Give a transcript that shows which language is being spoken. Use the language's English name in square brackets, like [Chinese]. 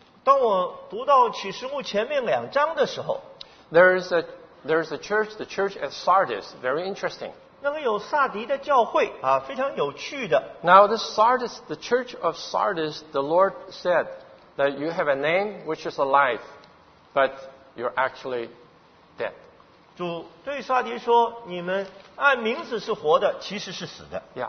[Chinese] 当我读到启示录前面两章的时候， [English] there is a church, the church at Sardis, very interesting. [Chinese] 那里有撒迪的教会啊，非常有趣的。 [English] Now this Sardis, the church of Sardis, the Lord said that you have a name which is alive, but you're actually dead. [Chinese] 主对撒迪说，你们按名字是活的，其实是死的。